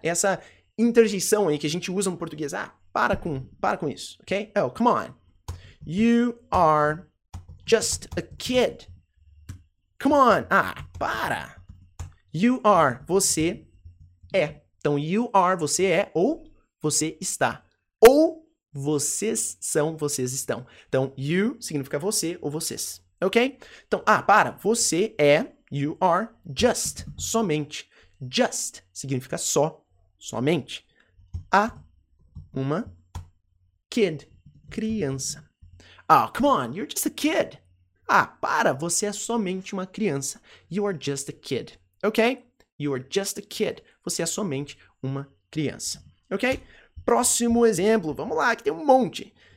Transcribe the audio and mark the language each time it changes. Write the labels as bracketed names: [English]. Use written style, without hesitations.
[Portuguese] Essa interjeição aí que a gente usa no português, ah, para com isso, ok? [English] Oh, come on, you are just a kid. Come on, [Portuguese] ah, para. [English] You are, [Portuguese] você é. Então, [English] you are, [Portuguese] você é, ou você está. Ou vocês são, vocês estão. Então, you significa você ou vocês. Ok? Então, ah, para. Você é, [English] you are, [Portuguese] just, somente. Just significa só, somente. A uma kid, criança. [English] Oh, come on, you're just a kid. [Portuguese] Ah, para, você é somente uma criança. [English] You are just a kid, [Portuguese] ok? [English] You are just a kid. [Portuguese] Você é somente uma criança, [English] ok? [Portuguese] Próximo exemplo, vamos lá, que tem um monte.